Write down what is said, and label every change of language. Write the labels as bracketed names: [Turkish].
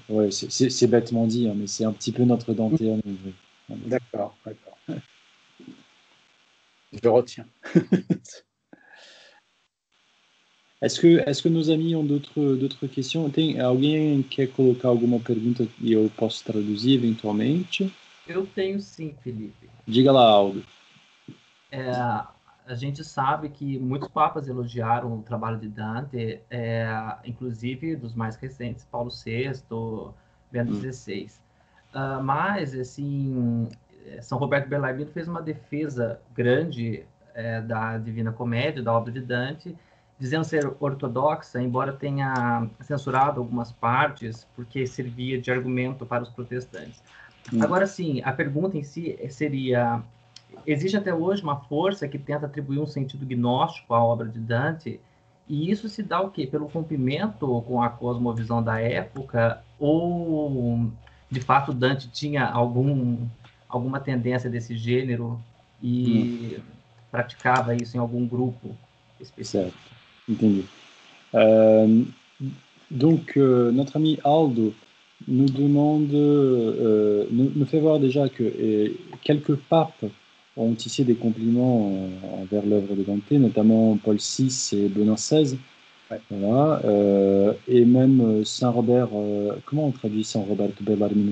[French] C'est bêtement dit, hein, mais c'est un petit peu notre Dante. D'accord. Je retiens. Est-ce que nos amis ont d'autres questions? [Portuguese] Tem alguém quer colocar alguma pergunta e eu posso traduzir eventualmente? Eu tenho sim, Felipe. Diga lá, Aldo. A gente sabe que muitos papas elogiaram o trabalho de Dante, inclusive dos mais recentes, Paulo VI, Bento XVI. Mas, assim, São Roberto Bellarmino fez uma defesa grande da Divina Comédia, da obra de Dante, dizendo ser ortodoxa, embora tenha censurado algumas partes, porque servia de argumento para os protestantes. Agora sim, a pergunta em si seria: existe até hoje uma força que tenta atribuir um sentido gnóstico à obra de Dante? E isso se dá o quê? Pelo rompimento com a cosmovisão da época? Ou de fato Dante tinha alguma tendência desse gênero e praticava isso em algum grupo específico? Certo, entendi. [French] Notre ami Aldo nous demande, nous fait voir déjà que quelques papes ont tissé des compliments envers l'œuvre de Dante, notamment Paul VI et Benoît XVI. Voilà, et même Saint Robert, comment on traduit Saint Robert Bellarmine?